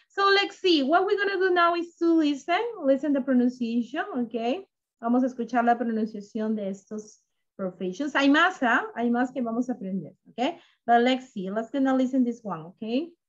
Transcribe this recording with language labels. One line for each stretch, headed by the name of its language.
English: So let's see, what we're gonna do now is to listen the pronunciation, okay?
Spanish: Vamos a escuchar la pronunciación de estos professions. Hay más que vamos a aprender, okay?
English: But let's see, let's gonna listen this one, okay?